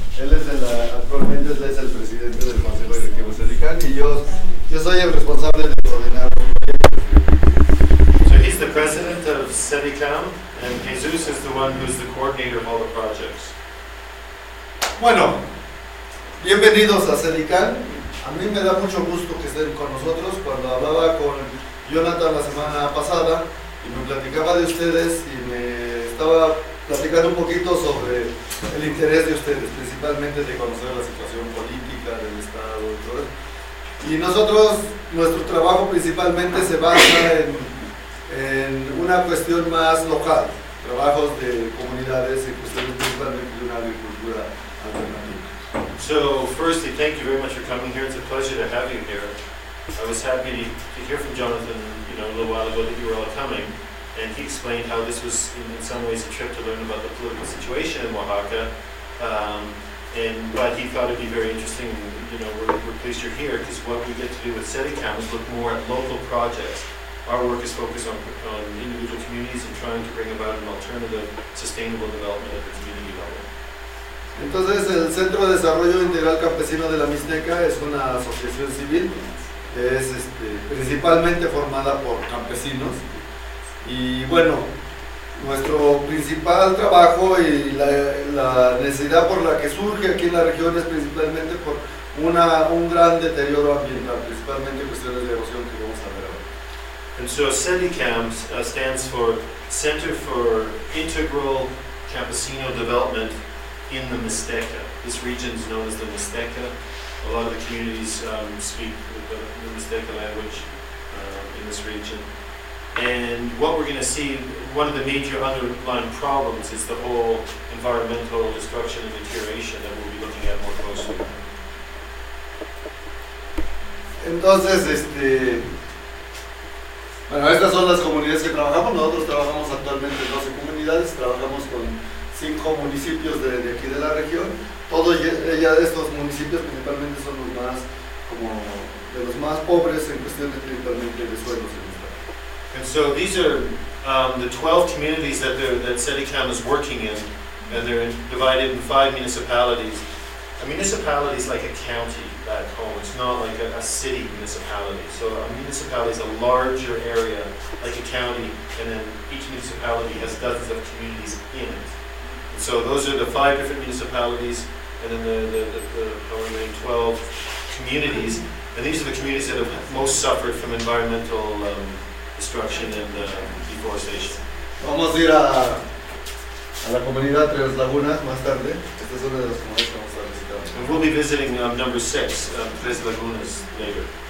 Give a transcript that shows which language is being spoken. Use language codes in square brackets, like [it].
[es] Él es el, actualmente él es el presidente del Consejo Directivo Sindical y yo soy el responsable de coordinar. [en] So he's the president of CEDICAM and Jesus is the one who's the coordinator of all the projects. [es] Bueno, bienvenidos a CEDICAM. A mí me da mucho gusto que estén con nosotros. Cuando hablaba con Jonathan la semana pasada y me platicaba de ustedes y me estaba platicando un poquito sobre el interés de ustedes, principalmente de conocer la situación política del Estado y todo eso. Y nosotros, nuestro trabajo principalmente se basa en una cuestión más local, trabajos de comunidades y cuestiones principalmente de una agricultura alternativa. [en] So, firstly, thank you very much for coming here. It's a pleasure to have you here. I was happy to hear from Jonathan, you know, a little while ago that you were all coming, and he explained how this was, in some ways, a trip to learn about the political situation in Oaxaca. But he thought it'd be very interesting, you know, we're pleased you're here, because what we get to do with CEDICAM is look more at local projects. Our work is focused on individual communities and trying to bring about an alternative, sustainable development at the community level. [es] Entonces, el Centro de Desarrollo Integral Campesino de la Mixteca es una asociación civil, es principalmente formada por campesinos. Y bueno, nuestro principal trabajo y la necesidad por la que surge aquí en la región es principalmente por un gran deterioro ambiental, principalmente cuestiones de erosión que vamos a ver ahora. [en] And so CEDICAM stands for Center for Integral Campesino Development in the Mixteca. This region is known as the Mixteca. A lot of the communities speak the Mixteca language in this region. And what we're going to see, one of the major underlying problems is the whole environmental destruction and deterioration that we'll be looking at more closely. [es] Entonces, bueno, estas son las comunidades que trabajamos. Nosotros trabajamos actualmente en 12 comunidades. Trabajamos con 5 municipios de aquí de la región. Todos ya de estos municipios principalmente son los más como de los más pobres en cuestión de principalmente de suelos. [en] And so these are the 12 communities that CEDICAM is working in, and they're divided in 5 municipalities. A municipality is like a county back home. It's not like a city municipality. So a municipality is a larger area, like a county, and then each municipality has dozens of communities in it. So those are the 5 different municipalities, and then the 12 communities, and these are the communities that have most suffered from environmental destruction and deforestation. [es] Vamos a ir a la comunidad Tres Lagunas más tarde. Esta es una de las comunidades que vamos a visitar. [en] And we'll be visiting number 6, Tres Lagunas, later.